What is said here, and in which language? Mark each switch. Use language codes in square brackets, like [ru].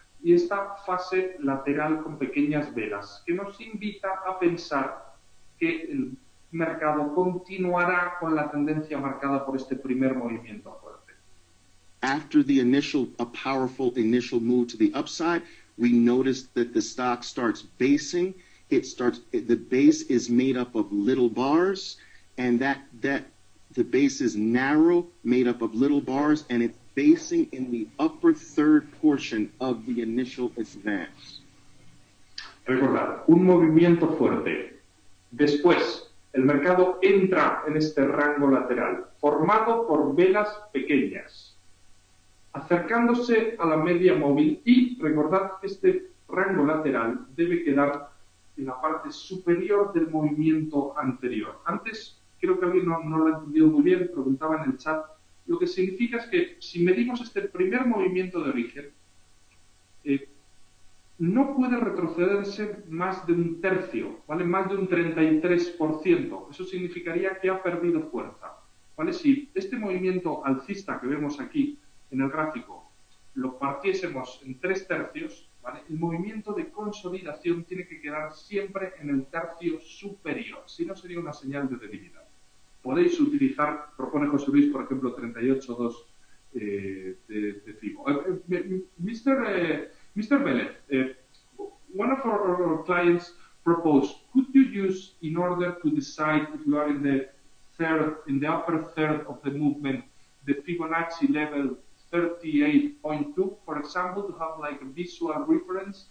[es] Y esta fase lateral con pequeñas velas, que nos invita a pensar que el mercado continuará con la tendencia marcada por este primer movimiento fuerte. [en] After the initial, a powerful initial move to the upside, we notice that the stock starts basing. It starts, the base is made up of little bars, and that the base is narrow, made up of little bars, and it's basing in the upper third portion of the initial advance. [es] Recordar, un movimiento fuerte. Después, el mercado entra en este rango lateral, formado por velas pequeñas, acercándose a la media móvil, y recordad que este rango lateral debe quedar en la parte superior del movimiento anterior. Antes, creo que alguien no lo ha entendido muy bien, preguntaba en el chat. Lo que significa es que si medimos este primer movimiento de origen, no puede retrocederse más de un tercio, ¿vale? Más de un 33%. Eso significaría que ha perdido fuerza, ¿vale? Si este movimiento alcista que vemos aquí en el gráfico lo partiésemos en tres tercios, ¿vale? El movimiento de consolidación tiene que quedar siempre en el tercio superior, si no sería una señal de debilidad. Podéis utilizar, propone José Luis, por ejemplo, 38.2 de FIBO. [en] Mr. Vélez, one of our clients proposed, could you use in order to decide if you are in the third, in the upper third of the movement, the Fibonacci level 38.2, for example, to have like a visual reference?